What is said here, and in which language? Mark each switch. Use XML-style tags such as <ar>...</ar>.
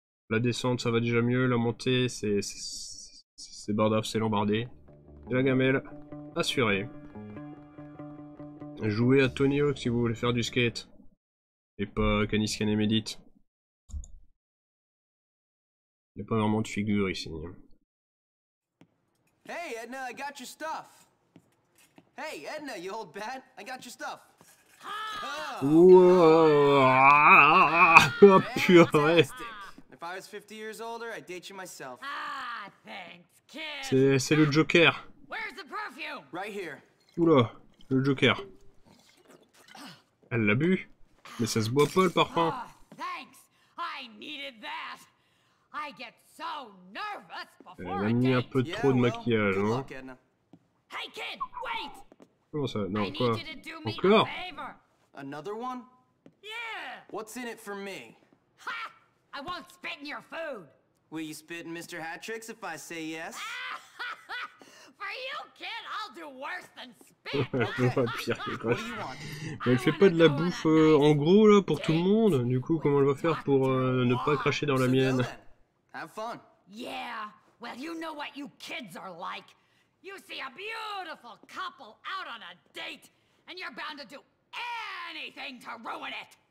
<fr>La descente ça va déjà mieux, la montée c'est bardaf, c'est lambardé. Et la gamelle, assurée. Jouez à Tony Hawk si vous voulez faire du skate. Et pas Caniscan et Médite. Il n'y a pas vraiment de figure ici.</fr> <en>Hey Edna, I got your stuff. Hey Edna, you old bat, I got your stuff.</en> <fr>Oh, purée.</fr> <en>If I was 50 years older, I'd date you myself. Ah, thanks, kid.</en> <fr>C'est le Joker.</fr> <en>Where's the perfume? Right here.</en> <fr>Oula, le Joker. Elle l'a bu, mais ça se boit pas le parfum.</fr> <en>Oh, thanks, I needed that. I get so nervous before.</en> <fr>Elle a mis un peu trop de maquillage, non?</fr> <en>Hey kid, wait.</en> <fr>Comment ça? Non, quoi? Encore?</fr> <en>Another one? Yeah. What's in it for me? I won't spit in your food. Will you spit in Mr. Hattricks if I say yes? For you, kid, I'll do worse than spit.</en> <fr>Pire que quoi. Mais elle fait pas de la bouffe en gros là pour tout le monde. Du coup, comment elle va faire pour ne pas cracher dans la mienne?</fr> <en>Have fun. Yeah. Well, you know what you kids are like. You see a beautiful couple out on a date, and you're bound to do anything to ruin it.</en>